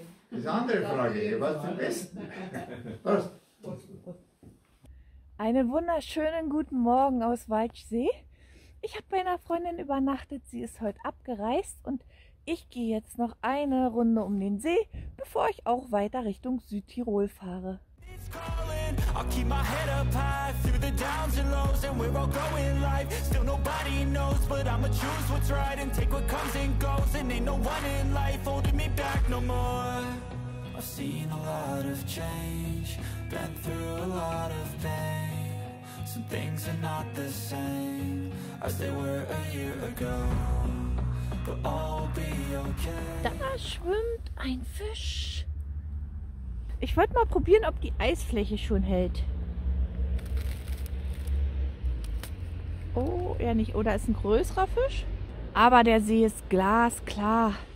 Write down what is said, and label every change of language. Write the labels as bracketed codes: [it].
[de] Das ist eine andere Frage. Ich war zum Besten. Prost. Einen wunderschönen guten Morgen aus Walchsee. Ich habe bei einer Freundin übernachtet. Sie ist heute abgereist und ich gehe jetzt noch eine Runde um den See, bevor ich auch weiter Richtung Südtirol fahre. [en] I'll keep my head up high through the downs and lows, and we're all going life. Still nobody knows, but I'ma choose what's right and take what comes and goes. And ain't no one in life holding me back no more. I've seen a lot of change, been through a lot of pain. Some things are not the same as they were a year ago, but all will be okay. [de] Da schwimmt ein Fisch. Ich wollte mal probieren, ob die Eisfläche schon hält. Oh, eher nicht. Oh, da ist ein größerer Fisch. Aber der See ist glasklar.